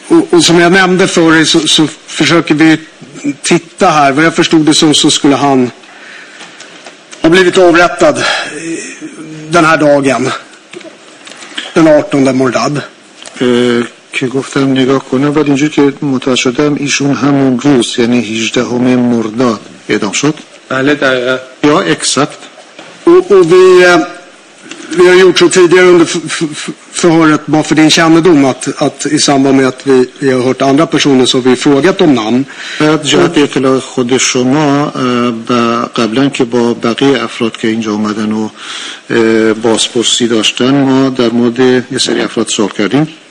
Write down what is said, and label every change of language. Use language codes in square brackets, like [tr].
[sv] Och som jag nämnde för dig så försöker vi titta här. Vad jag förstod det som så skulle han har blivit avrättad den här dagen den 18 mordad. [fa] که گفتم نگاه کنم ولی اینجور که متوجه شدم ایشون همون روز یعنی 18 مرداد اعدام شد. بله دقیقاً. یا اکسکت. [sv] Och vi har gjort så tidigare under förhöret bara för din kännedom att i samband med att vi har hört andra personer så har vi frågat om namn. [fa] Jag vet inte hur det som har قبلن که با بقیه افراد که اینجا اومدن و بازپرسی داشتن ما در مورد یه سری افراد سوال کردیم